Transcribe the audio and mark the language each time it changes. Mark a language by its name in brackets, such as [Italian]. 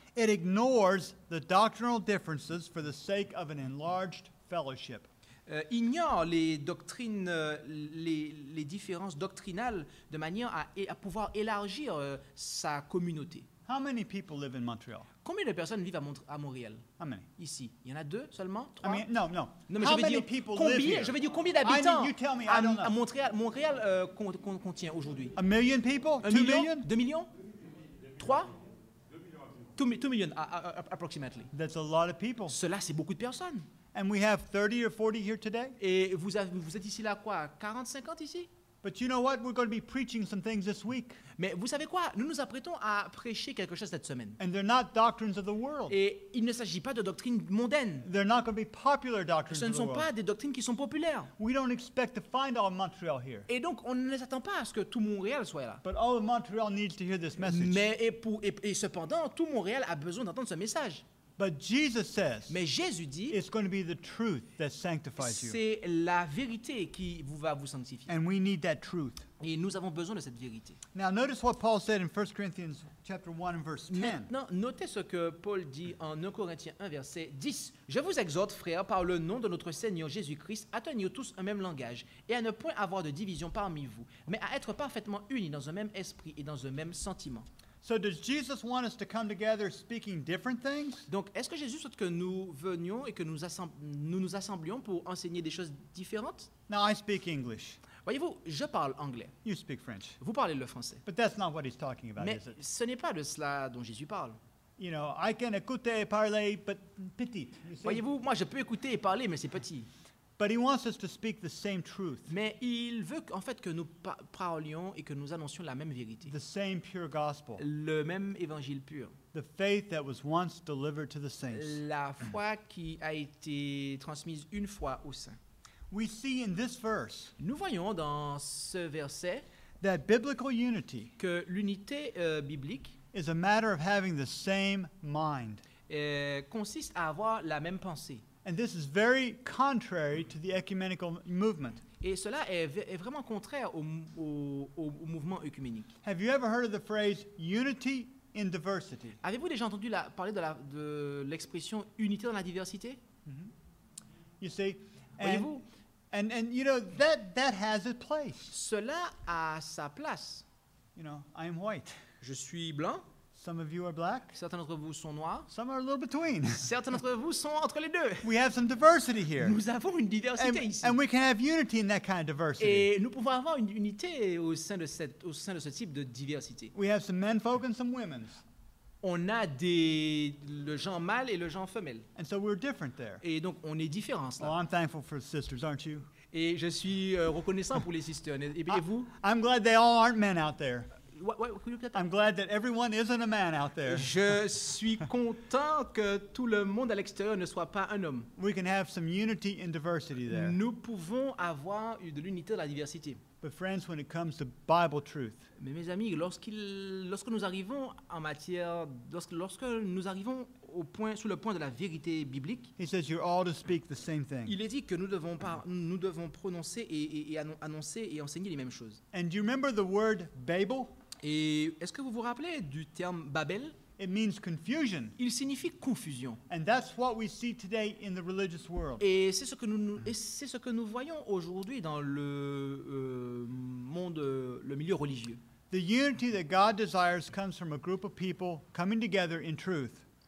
[English] it ignores the doctrinal differences for the sake of an enlarged fellowship. [French] Ignore les doctrines, les différences doctrinales de manière à pouvoir élargir sa communauté. [English] How many people live in Montreal? [French] Combien de personnes vivent à Montréal? [English] How many? [French] Ici, il y en a deux seulement, trois. [English] I mean, no, no. [French] Non, mais [English] how [French] je veux [English] many [French] dire, [English] people [French] combien, [English] live here? [French] Je veux dire combien d'habitants [English] I mean, you tell me, I don't know. [French] À Montréal, Montréal contient aujourd'hui? [English] A million people? [French] Un million? [English] Two million? [French] 2 millions? Trois? [English] 2 million approximately. That's a lot of people. [French] Cela, c'est beaucoup de personnes. [English] And we have 30 or 40 here today. [French] Et vous êtes ici là quoi, 40, 50 ici? [English] But you know what? We're going to be preaching some things this week. [French] Mais vous savez quoi? Nous nous apprêtons à prêcher quelque chose cette semaine. [English] And they're not doctrines of the world. [French] Et il ne s'agit pas de doctrines mondaines. [English] They're not going to be popular doctrines. [French] Ce ne sont pas des doctrines qui sont populaires. [English] We don't expect to find all of Montreal here. [French] Et donc on ne s'attend pas à ce que tout Montréal soit là. [English] But all of Montreal needs to hear this message. [French] Mais et cependant, tout Montréal a besoin d'entendre ce message. [English] But Jesus says, [French] mais Jésus dit, [English] it's going to be the truth that sanctifies you. [French] C'est la vérité qui va vous sanctifier. [English] And we need that truth. [French] Et nous avons besoin de cette vérité. [English] Now notice what Paul said in 1 Corinthians chapter 1 and verse 10. [French] Maintenant, notez ce que Paul dit en 1 Corinthiens 1 verset 10. Je vous exhorte, frères, par le nom de notre Seigneur Jésus-Christ, à tenir tous un même langage et à ne point avoir de division parmi vous, mais à être parfaitement unis dans un même esprit et dans un même sentiment. [English] So does Jesus want us to come together speaking different things? [French] Donc est-ce que Jésus souhaite que nous venions et que nous assemblions pour enseigner des choses différentes? [English] Now I speak English. [French] Voyez-vous, je parle anglais. [English] You speak French. [French] Vous parlez le français. [English] But that's not what he's talking about, [French] mais [English] is it? [French] Mais ce n'est pas de cela dont Jésus parle. [English] You know, I can [French] écouter et parler, [English] but petit. [French] Voyez-vous, moi je peux écouter et parler, mais c'est petit. [English] But he wants us to speak the same truth. [French] Mais il veut en fait que nous parlions et que nous annoncions la même vérité. [English] The same pure gospel. [French] Le même évangile pur. [English] The faith that was once delivered to the saints. [French] La foi qui a été transmise une fois aux saints. [English] We see in this verse. [French] Nous voyons dans ce verset [English] that biblical unity [French] que l'unité biblique [English] is a matter of having the same mind. [French] Consiste à avoir la même pensée. [English] And this is very contrary to the ecumenical movement. [French] Et cela est vraiment contraire au mouvement œcuménique. [English] Have you ever heard of the phrase unity in diversity? [French] Avez-vous déjà entendu parler de l'expression unité dans la diversité? Mm-hmm. [English] You see, and you know that has its place. [French] Cela a sa place. [English] You know, I am white. [French] Je suis blanc. [English] Some of you are black. [French] Certains d'entre vous sont noirs. [English] Some are a little between. [French] Certains d'entre vous sont entre les deux. [English] We have some diversity here. [French] Nous avons une diversité [English] and, [French] ici. [English] And we can have unity in that kind of diversity. [French] Et nous pouvons avoir une unité au sein de ce type de diversité. [English] We have some men folk and some women. [French] On a le genre mâle et le genre femelle. [English] And so we're different there. [French] Et donc on est différents là. [English] Well, I'm thankful for sisters, aren't you? [French] Et je suis reconnaissant pour les sisters. Et vous? [English] I'm glad they all aren't men out there. What I'm glad that everyone isn't a man out there. [French] Je suis content que tout le monde à l'extérieur ne soit pas un homme. [English] We can have some unity in diversity there. [French] Nous pouvons avoir de l'unité dans la diversité. [English] But friends, when it comes to Bible truth, [French] mais mes amis, lorsque nous arrivons en matière, lorsque nous arrivons au point, sous le point de la vérité biblique, [English] he says you're all to speak the same thing. [French] Il est dit que nous devons prononcer et annoncer et enseigner les mêmes choses. [English] And do you remember the word Babel? [French] Et est-ce que vous vous rappelez du terme Babel? [English] It means confusion. [French] Il signifie confusion. [English] And that's what we see today in the religious world. [French] Et c'est ce que nous voyons aujourd'hui dans le milieu religieux. [English] The unity that God desires comes from a group of people coming together in truth.